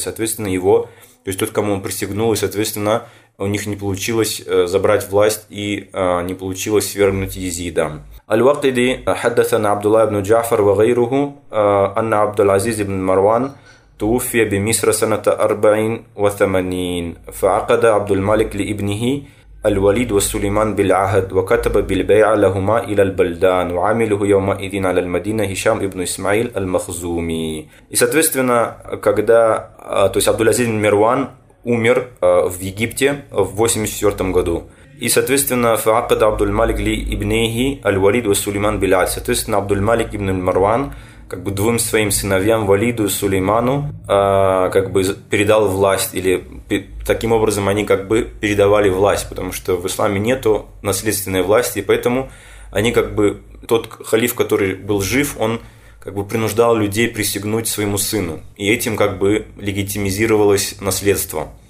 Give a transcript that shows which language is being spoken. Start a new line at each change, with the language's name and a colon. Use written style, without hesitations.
Russian: Соответственно, его, то есть тот, кому он присягнул, и, соответственно, у них не получилось забрать власть и не получилось свергнуть езида.
Arabic: Аль-Вакиди хаддасан Абдулла ибн Джафар ва гайруху анна Абдул-Азиз ибн Марван توفي بمصر سنة 84 فعقد عبد الملك لابنه الوليد وسليمان بالعهد وكتب بالبيعة لهما إلى البلدان وعمله يومئذ على المدينة هشام ابن إسماعيل المخزومي.
Russian: И, соответственно, когда, то есть Абдул-Азиз Мирван умер в Египте в 84 году.
Arabic: И, соответственно, فعقد عبد الملك لابنه الوليد وسليمان بالعهد.
Russian: Соответственно, Абдул-Малик ибн Мирван как бы двум своим сыновьям, Валиду и Сулейману, как бы передал власть, или таким образом они как бы передавали власть, потому что в исламе нету наследственной власти, и поэтому они как бы, тот халиф, который был жив, он как бы принуждал людей присягнуть своему сыну, и этим как бы легитимизировалось наследство.